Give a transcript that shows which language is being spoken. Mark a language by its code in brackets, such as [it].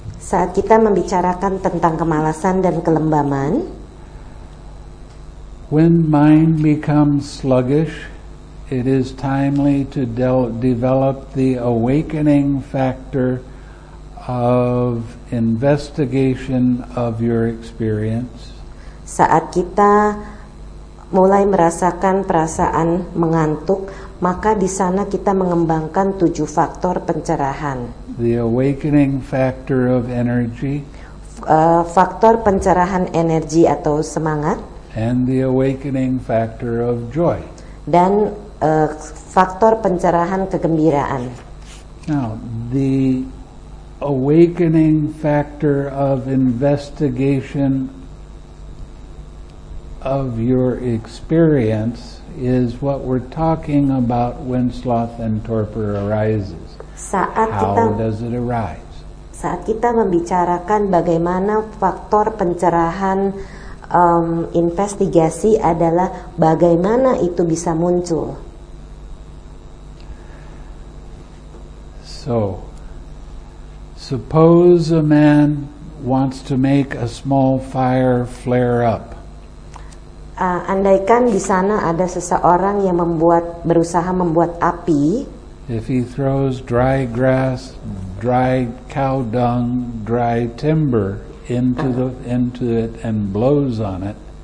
[id] Saat kita membicarakan tentang kemalasan dan kelembaman. [en] When mind becomes sluggish, it is timely to develop the awakening factor of investigation of your experience. [id] Saat kita mulai merasakan perasaan mengantuk, maka di sana kita mengembangkan 7 faktor pencerahan. [en] The awakening factor of energy. [id] Faktor pencerahan energi atau semangat. [en] And the awakening factor of joy. [id] Dan faktor pencerahan kegembiraan. [en] Now, the awakening factor of investigation of your experience is what we're talking about when sloth and torpor arises. How does it arise? [id] Saat kita membicarakan bagaimana faktor pencerahan investigasi adalah bagaimana itu bisa muncul. [en] So, suppose a man wants to make a small fire flare up. [id] Andaikan di sana ada seseorang yang membuat berusaha membuat api. [en] If he throws dry grass, dry cow dung, dry timber into it and blows on it.